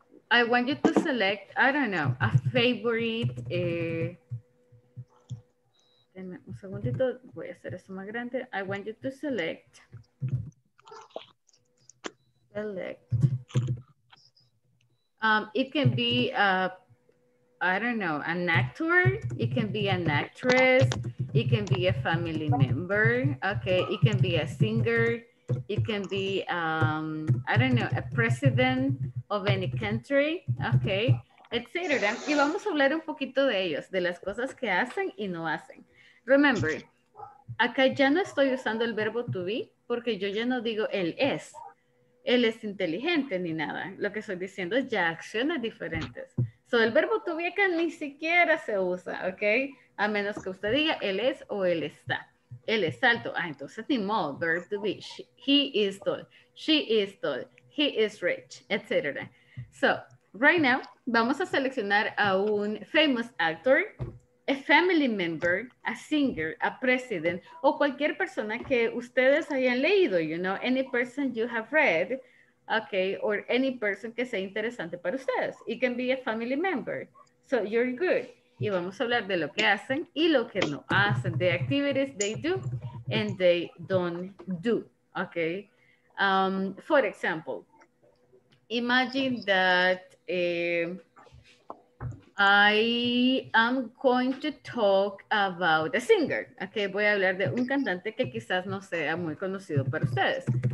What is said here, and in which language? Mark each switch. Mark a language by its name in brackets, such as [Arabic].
[English] I want you to select, I don't know, a favorite. [Spanish] Denme un segundito, voy a hacer eso más grande. [English] I want you to select. Select. It can be, I don't know, an actor. It can be an actress. It can be a family member. Okay, it can be a singer. It can be, I don't know, a president of any country, okay, etc. [Spanish] Y vamos a hablar un poquito de ellos, de las cosas que hacen y no hacen. [English] Remember, [Spanish] acá ya no estoy usando el verbo to be, porque yo ya no digo él es inteligente ni nada. Lo que estoy diciendo es ya acciones diferentes. So, el verbo to be acá ni siquiera se usa, okay, a menos que usted diga él es o él está. Él es alto. Ah, entonces ni modo. [English] Verb to be. He is tall. She is tall. He is rich, etc. So, right now, [Spanish] vamos a seleccionar a un [English] famous actor, a family member, a singer, a president, [Spanish] o cualquier persona que ustedes hayan leído, [English] you know, any person you have read, okay, or any person [Spanish] que sea interesante para ustedes. [English] It can be a family member. So, you're good. [Spanish] Y vamos a hablar de lo que hacen y lo que no hacen. [English] The activities they do and they don't do. Okay. For example, imagine that I am going to talk about a singer. Okay. [Spanish] Voy a hablar de un cantante que quizás no sea muy conocido para ustedes.